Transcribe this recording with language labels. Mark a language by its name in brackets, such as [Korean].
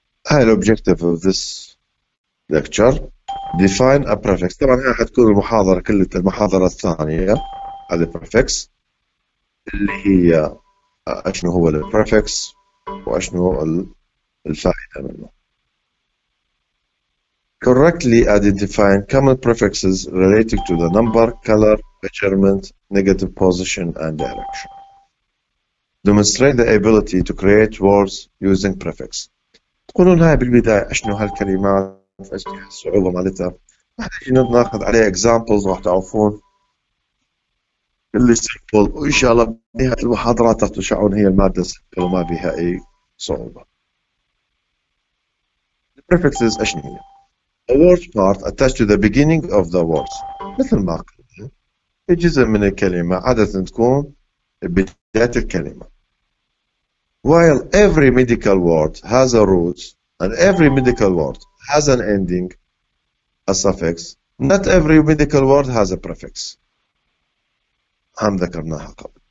[English] هاي الأوبجيكتيف of this lecture, define a prefix. [Arabic] طبعا هاي حتكون المحاضرة كلها، المحاضرة الثانية على البريفكس، اللي هي أشنو هو البريفكس وأشنو الفائدة منه. [English] Correctly identifying common prefixes related to the number, color, measurement, negative position, and direction. Demonstrate the ability to create words using prefix. [Arabic] تقولون هاي بالبداية اشنو هالكلمات، اشنو هالصعوبة مالتها. راح نجي ناخذ عليها examples راح تعرفون. اللي سيمبل، وان شاء الله بنهاية المحاضرات راح تشعرون هي المادة سيمبل وما بها اي صعوبة. [English] Prefixes [Arabic] اشنو هي؟ [English] A word part attached to the beginning of the words. [Arabic] مثل ما قلت، جزء من الكلمة عادة تكون بداية الكلمة. [English] While every medical word has a root and every medical word has an ending, a suffix, not every medical word has a prefix. [Arabic] هم ذكرناها قبل.